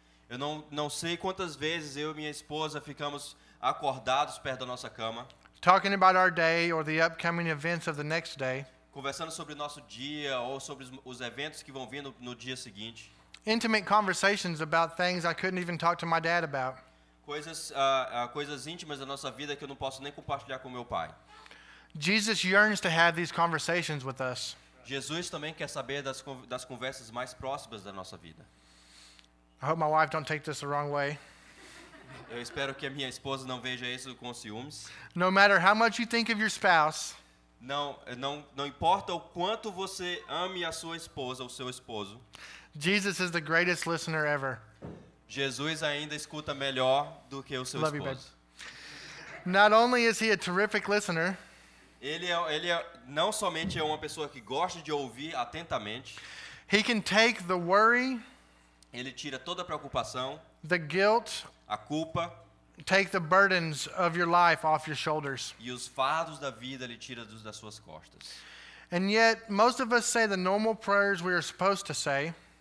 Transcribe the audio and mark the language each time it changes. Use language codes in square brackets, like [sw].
[pt] Eu não sei quantas vezes eu e minha esposa ficamos acordados perto da nossa cama. [en] Talking about our day or the upcoming events of the next day. [pt] Conversando sobre o nosso dia ou sobre os eventos que vão vir no dia seguinte. [en] Intimate conversations about things I couldn't even talk to my dad about. [pt] Coisas íntimas da nossa vida que eu não posso nem compartilhar com meu pai. [en] Jesus yearns to have these conversations with us. [pt] Jesus também quer saber das conversas mais próximas da nossa vida. [en] I hope my wife don't take this the wrong way. [pt] Eu espero que a minha esposa não veja isso com ciúmes. [en] No matter how much you think of your spouse. [pt] Não importa o quanto você ame a sua esposa ou seu esposo. [en] Jesus is the greatest listener ever. [pt] Jesus ainda escuta melhor do que o seu [en] Love [pt] esposo. [en] You, Not only is he a terrific listener. [pt] Ele não somente é uma pessoa que gosta de ouvir atentamente. [en] He can take the worry. [pt] Ele tira toda a preocupação. [en] The guilt. [pt] A culpa. [en] Take the burdens of your life off your shoulders. [pt] E os fardos da vida ele tira das suas costas. [en] And yet, most of us say the normal prayers we are supposed to say.